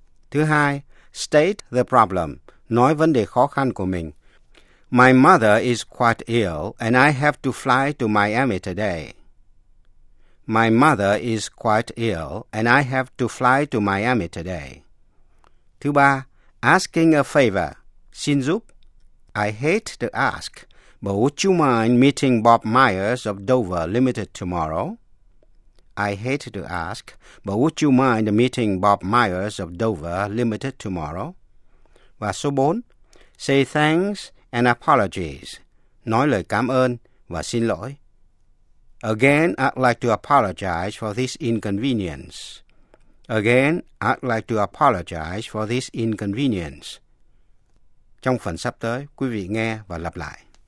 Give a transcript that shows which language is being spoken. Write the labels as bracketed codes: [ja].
[vi] Thứ hai, [en] state the problem, [vi] nói vấn đề khó khăn của mình. [en] My mother is quite ill and I have to fly to Miami today. My mother is quite ill, and I have to fly to Miami today. [vi] Thứ ba, [en] asking a favor, [vi] Xin giúp. [en] I hate to ask, but would you mind meeting Bob Myers of Dover Limited tomorrow? I hate to ask, but would you mind meeting Bob Myers of Dover Limited tomorrow? [vi] Và số 4. [en] Say thanks and apologies. [vi] Nói lời cảm ơn và xin lỗi. [en] Again, I'd like to apologize for this inconvenience. Again, I'd like to apologize for this inconvenience. [vi] Trong phần sắp tới, quý vị nghe và lặp lại.